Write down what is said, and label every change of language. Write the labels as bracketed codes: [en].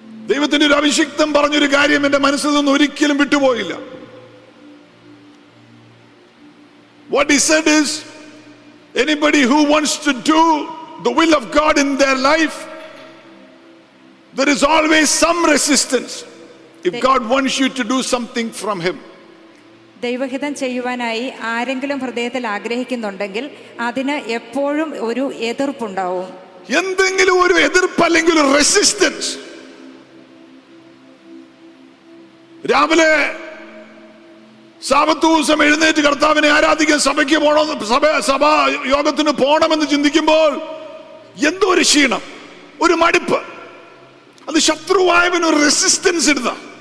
[ml] ദൈവത്തിന്റെ ഒരു അഭിഷിക്തം പറഞ്ഞൊരു കാര്യം എന്റെ മനസ്സിൽ നിന്ന് ഒരിക്കലും വിട്ടുപോയില്ല. [en] What he said is, anybody who wants to do the will of God in their life, there is always some resistance if God wants you to do something from him. [ml] ദൈവഹിതം ചെയ്യുവാനായി ആരെങ്കിലും ഹൃദയത്തിൽ ആഗ്രഹിക്കുന്നുണ്ടെങ്കിൽ അതിന് എപ്പോഴും ഒരു എതിർപ്പുണ്ടാവും. എന്തെങ്കിലും ഒരു എതിർപ്പ് അല്ലെങ്കിൽ റെസിസ്റ്റൻസ്. രാവിലെ സാബത്ത് ദിവസം എഴുന്നേറ്റ് കർത്താവിനെ ആരാധിക്കാൻ സഭയ്ക്ക് പോകണം, സഭാ യോഗത്തിന് പോകണമെന്ന് ചിന്തിക്കുമ്പോൾ എന്തോ ഒരു ക്ഷീണം, ഒരു മടുപ്പ്, അത് ശത്രുവായവനൊരു റെസിസ്റ്റൻസ് ഇടുന്ന.